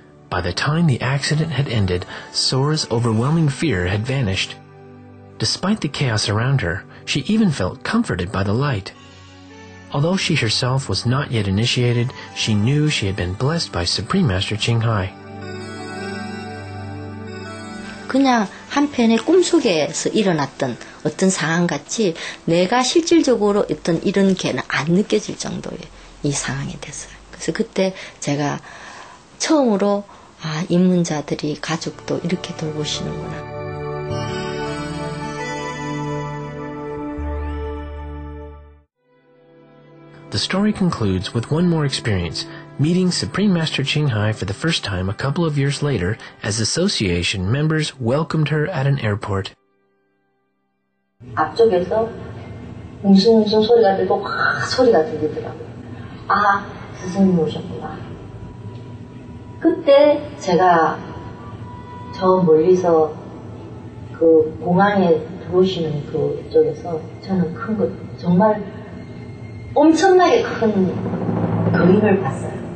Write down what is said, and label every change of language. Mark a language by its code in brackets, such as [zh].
[en] By the time the accident had ended, Sora's overwhelming fear had vanished. Despite the chaos around her, she even felt comforted by the light. Although she herself was not yet initiated, she knew she had been blessed by Supreme Master Ching Hai. [ko] 그냥 한편의 꿈속에서 일어났던 어떤 상황 같이 내가 실질적으로 어떤 이런 게는 안 느껴질 정도의 이 상황이 됐어요. 그래서 그때 제가 처음으로 아, 입문자들이 가족도 이렇게 돌보시는구나. [en] The story concludes with one more experience, meeting Supreme Master Ching Hai for the first time a couple of years later as association members welcomed her at an airport. [ko] 앞쪽에서 웅숭웅숭 소리가 들고 막 소리가 들리더라고요. 아, 스승님 오셨구나. 그때 제가 저 멀리서 그 공항에 들어오시는 그 쪽에서 저는 큰 것, 정말 엄청나게 큰 그림을 봤어요.